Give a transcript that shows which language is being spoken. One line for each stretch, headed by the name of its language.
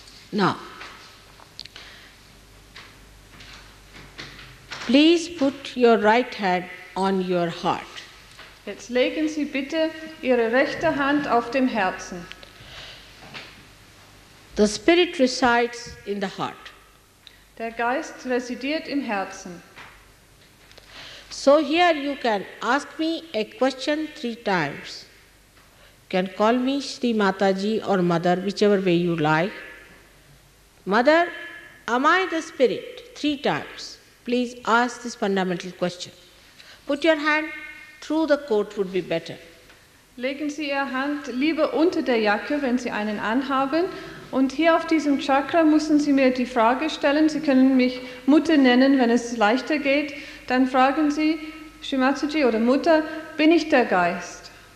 English: Now, please put your right hand on your heart.
German: Jetzt legen Sie bitte Ihre rechte Hand auf dem Herzen.
English: The spirit resides in the heart.
German: Der Geist residiert im Herzen.
English: So here you can ask me a question 3 times. You can call me Sri Mataji or Mother, whichever way you like. Mother, am I the spirit? 3 times. Please ask this fundamental question. Put your hand through the coat would be better.
German: Legen Sie Ihre Hand lieber unter der Jacke, wenn Sie einen anhaben. Und hier auf diesem Chakra müssen Sie mir die Frage stellen. Sie können mich Mutter nennen, wenn es leichter geht. Dann fragen Sie, Shrimatiji oder Mutter, bin ich der Geist?